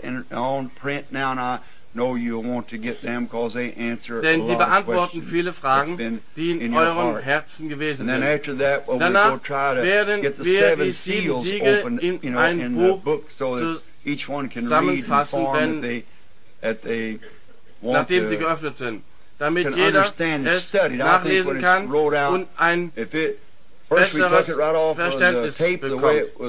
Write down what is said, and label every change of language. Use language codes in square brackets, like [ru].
[en] And on print now, and I know you want to get them because they answer. [de] Denn sie beantworten viele Fragen, die in euren Herzen gewesen sind. [en] And then after that, we'll go try to get the seven seals open in the book, so that each one can read and form that they want. [de] Nachdem sie geöffnet sind, damit jeder es nachlesen kann und ein besseres Verständnis bekommen.